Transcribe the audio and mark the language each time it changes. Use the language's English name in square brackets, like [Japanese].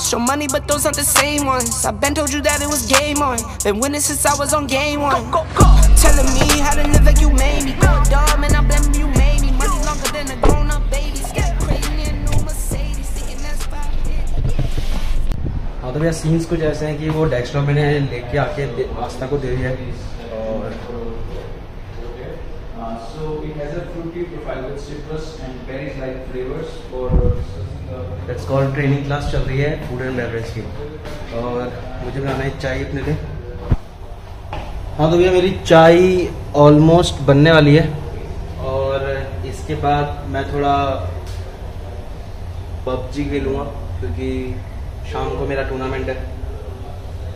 [English] Show money, but those aren't the same ones. I been told you that it was game on. Been winning since I was on game one. Go, go, go. Telling me how to live like you made me. Go dumb and I blame you made me. Money longer than a grown up baby. Scared crazy in a new Mercedes. Thinking that's about it. [Hindi] हाँ तो भैया scenes कुछ ऐसे हैं कि वो desktop मैंने लेके आके आस्था को दे दिया है। और [English] So it has a fruity profile with citrus and berries like flavors for That's called training class [Hindi] चल रही है [English] food and beverage की। [Hindi] और मुझे बनाना है चाय अपने लिए। हाँ तो भैया मेरी चाय ऑलमोस्ट बनने वाली है, और इसके बाद मैं थोड़ा पबजी खेलूँगा क्योंकि शाम को मेरा टूर्नामेंट है।